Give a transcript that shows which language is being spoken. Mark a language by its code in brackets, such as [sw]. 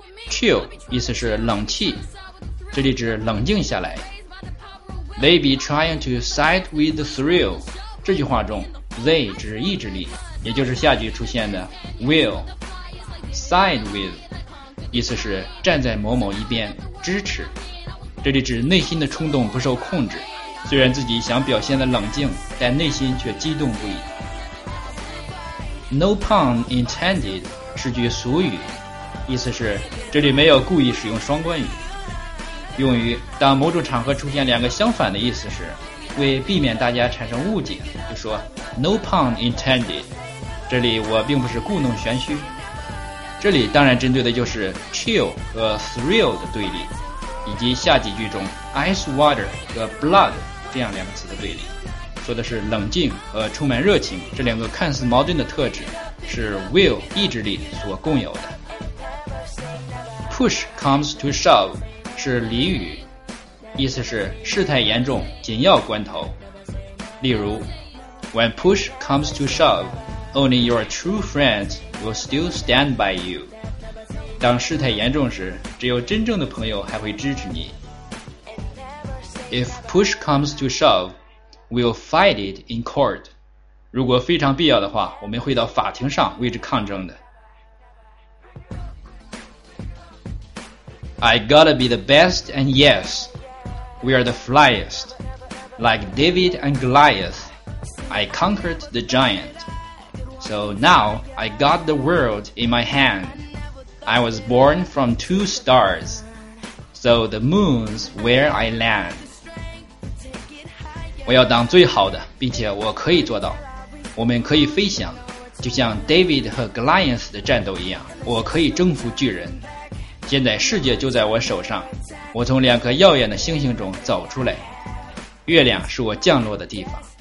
[zh] Chill 意思是冷气，这里指冷静下来。 [en] They be trying to side with the thrill [zh] 这句话中 they 指意志力，也就是下句出现的 willside with 意思是站在某某一边支持，这里指内心的冲动不受控制，虽然自己想表现的冷静，但内心却激动不已。 [en] No pun intended [zh] 是句俗语，意思是这里没有故意使用双关语，用于当某种场合出现两个相反的意思时，为避免大家产生误解，就说 [en] No pun intended， [zh] 这里我并不是故弄玄虚。这里当然针对的就是 chill 和 thrill 的对立，以及下几句中 ice water 和 blood 这样两个词的对立，说的是冷静和充满热情这两个看似矛盾的特质是 will 意志力所共有的。 [en] push comes to shove [zh] 是俚语，意思是事态严重紧要关头。例如 [en] when push comes to shoveOnly your true friends will still stand by you. [zh] 当事态严重时，只有真正的朋友还会支持你。 [en] If push comes to shove, we'll fight it in court. [zh] 如果非常必要的话，我们会到法庭上为之抗争的。 [en] I gotta be the best, and yes, we are the flyest. Like David and Goliath, I conquered the giant. So now I got the world in my hand. I was born from two stars. So the moon's where I land. [zh] 我要当最好的，并且我可以做到。我们可以飞翔，就像 David 和 Goliath 的战斗一样，我可以征服巨人。现在世界就在我手上，我从两颗耀眼的星星中走出来，月亮是我降落的地方。